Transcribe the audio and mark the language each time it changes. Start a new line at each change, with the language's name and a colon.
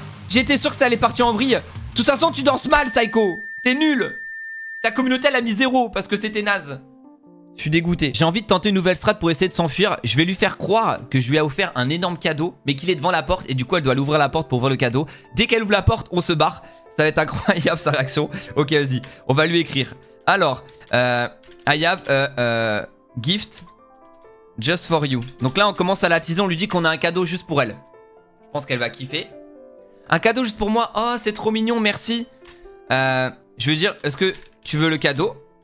French: J'étais sûr que ça allait partir en vrille. De toute façon, tu danses mal, Psycho. T'es nul. Ta communauté, elle a mis zéro parce que c'était naze. Je suis dégoûté. J'ai envie de tenter une nouvelle strat pour essayer de s'enfuir. Je vais lui faire croire que je lui ai offert un énorme cadeau, mais qu'il est devant la porte et du coup elle doit l'ouvrir la porte pour voir le cadeau. Dès qu'elle ouvre la porte, on se barre. Ça va être incroyable sa réaction. Ok, vas-y. On va lui écrire.
English: Alors, I have a gift just for you.
French: Donc là, on commence à la teaser. On lui dit qu'on a un cadeau juste pour elle. Je pense qu'elle va kiffer. Un cadeau juste pour moi. Oh, c'est trop mignon, merci. Je veux dire, est-ce que tu veux le cadeau?